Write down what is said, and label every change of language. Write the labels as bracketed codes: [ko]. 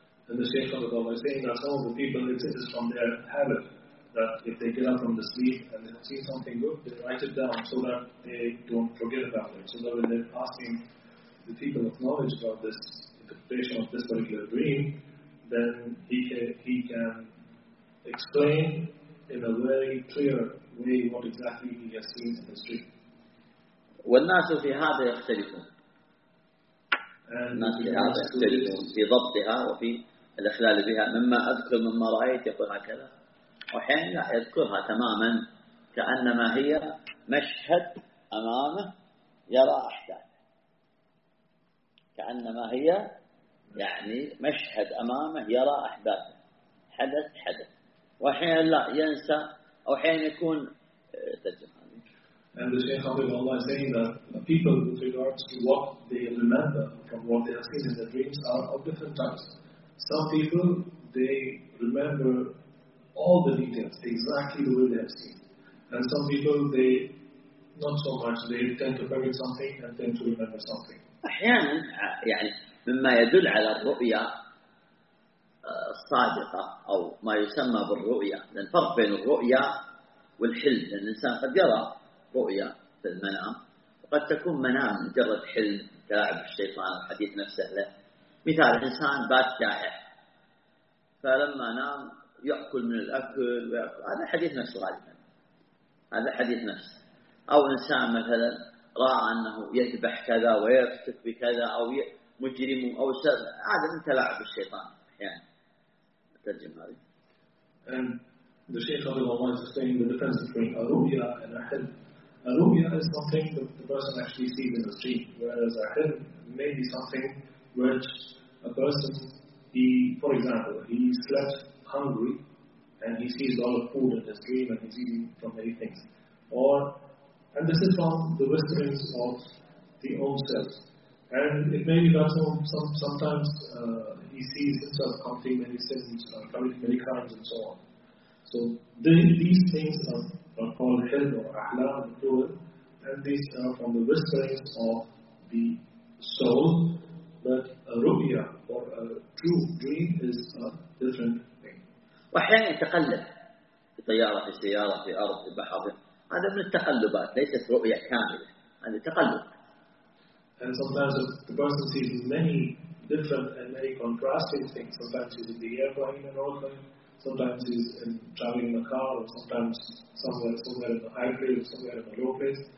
[en] And the Shaykh of Allah is saying that some of the people, it is from their habit that if they get up from the sleep and they have seen something good, they write it down so that they don't forget about it. So that when they're asking the people of knowledge about this interpretation of this particular dream, then he can explain in a very clear way what exactly he has seen in his dream. [ar] والناس في هذا يختلفون. الناس يختلفون في ضبطها وفي الإخلال بها مما أذكر مما رأيت يقول هكذا وحين لا يذكرها تماما كأنما هي مشهد أمامه يرى أحداثه كأنما هي يعني مشهد أمامه يرى أحداثه حدث حدث وحين لا ينسى أو حين يكون تجمع. [en] And the Shaykh Abdullah is saying that the people with regards to what they remember from what they have seen in their dreams are of different types. Some people, they remember all the details, exactly the way they have seen. And some people, they, not so much, they tend to forget something and tend to remember something. [ar] أحيانا يعني مما يدل على الرؤية الصادقة أو ما يسمى بالرؤية لأن فرق بين الرؤية والحلم لأن الإنسان قد يرى رؤية في المنام وقد تكون منام مجرد حلم تلاعب الشيطان الحديث نفسه له مثال إنسان بات جائع فلما نام يأكل من الأكل ويأكل. هذا حديث نفس غالبا هذا حديث نفس أو إنسان مثلا رأى أنه يذبح كذا ويفتك بكذا أو مجرم أو سر هذا من تلاعب الشيطان يعني ترجم هذا [en] And the Shaykh of Allah is saying the difference between a rubya and a hilm A rubya is something that the person actually sees in the dream, whereas a hilm may be something which a person, he, for example, he slept hungry and he sees a lot of food in his dream and he's eating from many things. Or, and this is from the whisperings of the own self. And it may be that sometimes he sees himself counting many sins, counting many crimes and so on. So these things are called hilm or ahlam in plural, and these are from the whisperings of the soul, but a rubya or a true dream is a different thing. [ar] وحين يتقلب في طيارة في سيارة في أرض في بحر هذا من التقلبات ليست رؤية كاملة هذا تقلب. [en] And sometimes the person sees many different and many contrasting things. Sometimes he's in the airplane and all that. Sometimes he's in traveling in a car, or sometimes somewhere in a high place, or somewhere in a low place.